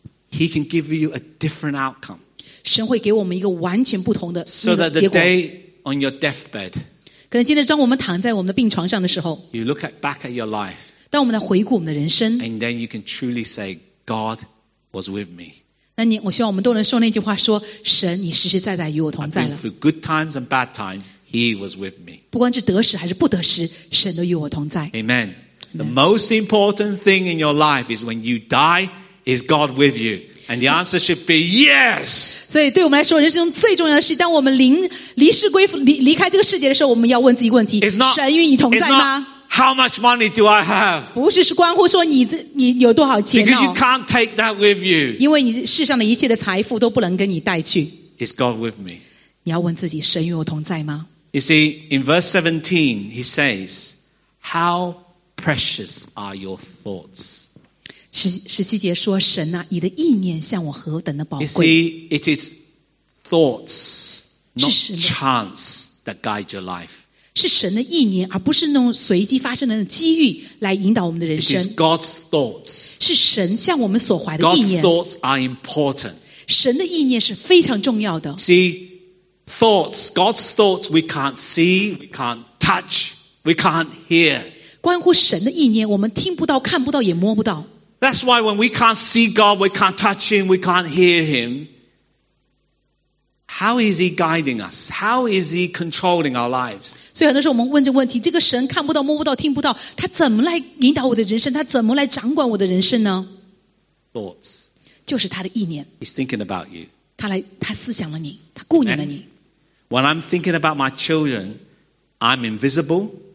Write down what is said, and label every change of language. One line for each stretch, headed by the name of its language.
English: He can give you a different outcome.
Chinese: 神会给我们一个完全不同的结果。
English: So that the day on your deathbed,
Chinese: 可能今天当我们躺在我们的病床上的时候，
English: you look back at your life.
Chinese: 当我们来回顾我们的人生，
English: and then you can truly say, God was with me.
Chinese: 那你，我希望我们都能说那句话，说神，你实实在在与我同在了。
English: I've been through good times and bad times, He was with me.
Chinese: 不管是得时还是不得时，神都与我同在。
English: Amen. The most important thing in your life is when you die, is God with you? And the answer should be yes.
Chinese: 所以对我们来说，人生最重要的是，当我们离开这个世界的时候，我们要问自己一个问题：神与你同在吗？
English: How much money do I have?
Chinese: 不是是关乎说你有多少钱哦。
English: Because you can't take that with you.
Chinese: 因为你世上的一切的财富都不能跟你带去。
English: Is God with me?
Chinese: 你要问自己：神与我同在吗？
English: You see, in verse 17, he says, how. Precious are your thoughts.
Chinese: 十七节说，神啊，你的意念像我何等的宝贵。
English: You see, it is thoughts, not chance, that guide your life.
Chinese: 是神的意念，而不是那种随机发生的机遇来引导我们的人生。
English: It is God's thoughts.
Chinese: 是神向我们所怀的意念。
English: God's thoughts are important.
Chinese: 神的意念是非常重要的。
English: See, thoughts, God's thoughts, we can't see, we can't touch, we can't hear.
Chinese: 关乎神的意念，我们听不到，看不到，也摸不到。
English: That's why when we can't see God, we can't touch Him, we can't hear Him. How is He guiding us? How is He controlling our lives?
Chinese: 所以很多时候我们问这问题：这个神看不到、摸不到、听不到，他怎么来引导我的人生？他怎么来掌管我的人生呢？
English: Thoughts.
Chinese: 就是他的意念。
English: He's thinking about you.
Chinese: 他思想了你，他顾念了你。
English: When I'm thinking about my children, I'm invisible.